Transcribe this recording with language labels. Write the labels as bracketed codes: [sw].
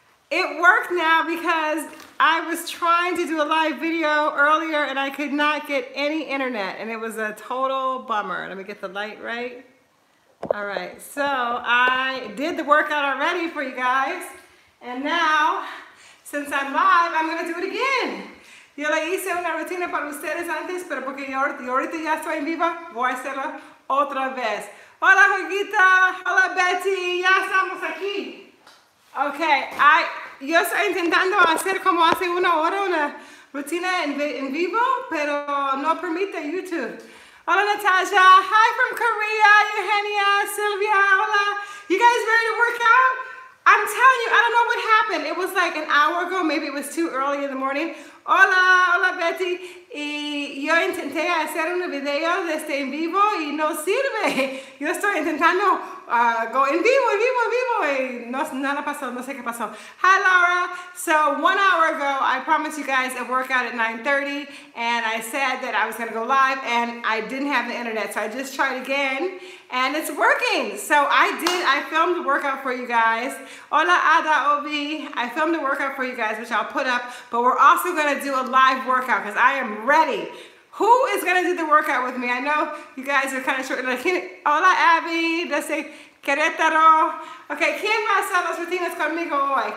[en] It worked now because I was trying to do a live video earlier and I could not get any internet and it was a total bummer. Let me get the light right. All right, so I did the workout already for you guys. And now, since I'm live, I'm gonna do it again. [es] Yo la hice una rutina para ustedes antes, pero porque yo ahorita ya estoy en vivo, voy a hacerla otra vez. Hola, Jueguita. Hola, Betty. Ya estamos aquí. Okay, yo estoy intentando hacer como hace una hora una rutina en vivo, pero no permite YouTube. Hola, [en] Natasha. Hi from Korea. Eugenia, Sylvia. Hola. You guys ready to work out? I'm telling you, I don't know what happened. It was like an hour ago. Maybe it was too early in the morning. [es] Hola, hola, Betty. Y yo intenté hacer un video desde en vivo y no sirve. Yo estoy intentando [en] go [es] en vivo. Y no, nada pasó, no sé qué pasó. [en] Hi, Laura. So 1 hour ago, I promised you guys a workout at 9:30. And I said that I was going to go live. And I didn't have the internet. So I just tried again. And it's working. So I filmed the workout for you guys. [es] Hola, [en] Ada Obi. I filmed the workout for you guys, which I'll put up. But we're also going to do a live workout because I am ready. Who is going to do the workout with me? I know you guys are kind of short. Like, [es] hola, [en] Abby. Let's say Querétaro. [es] Okay, ¿quién va a hacer las rutinas conmigo hoy?